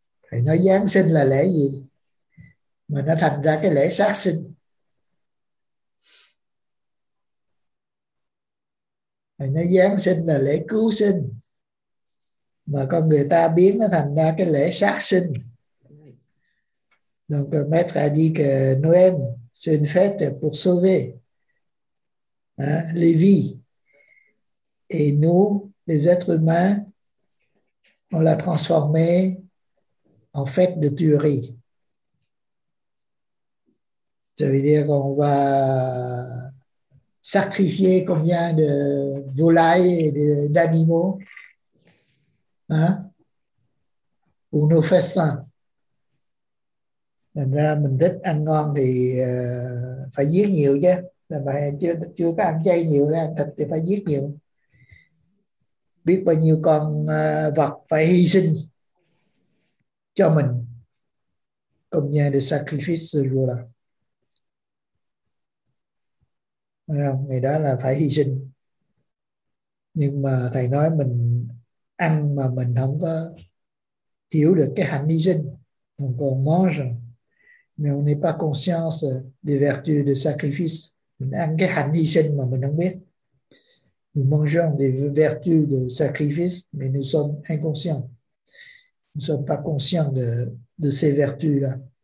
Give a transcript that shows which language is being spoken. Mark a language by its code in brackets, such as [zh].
[vi] Thầy nói Giáng sinh là lễ gì mà nó thành ra cái lễ sát sinh? Thầy nói Giáng sinh là lễ cứu sinh mà con người ta biến nó thành ra cái lễ sát sinh. [fr] Donc maître a dit que Noël c'est une fête pour sauver les vies. Et nous, les êtres humains, on l'a transformé en fête de tuerie. Ça veut dire qu'on va sacrifier combien de volailles et d'animaux. Pour nos festins. [vi] Thành ra mình thích ăn ngon thì phải giết nhiều chứ. Là mà chưa có ăn chay nhiều ra thịt thì phải giết nhiều. Biết bao nhiêu con vật phải hy sinh cho mình. [fr] Combien de sacrifices du là. [vi] Ngày đó là phải hy sinh. Nhưng mà thầy nói mình ăn mà mình không có hiểu được cái hạnh hy sinh. [fr] Donc on mange, mais on n'est pas conscient des vertus de sacrifice. [vi] Mình ăn cái hạnh hy sinh mà mình không biết. [fr] Nous mangeons des vertus de sacrifice, mais nous sommes inconscients. Nous ne sommes pas conscients de ces vertus-là.